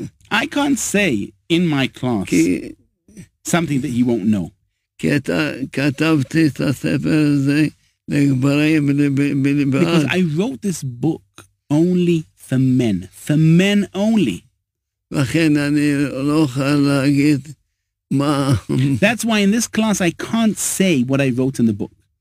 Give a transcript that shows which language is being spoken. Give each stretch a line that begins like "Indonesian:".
English: I can't say in my class something that he won't know.
Hebrew: כתבתי את הספר הזה לגברים בלבד.
English: Because I wrote this book only for men. For men only.
Hebrew: לכן אני לא יכול להגיד מה.
English: That's why in this class I can't say what I wrote in the book.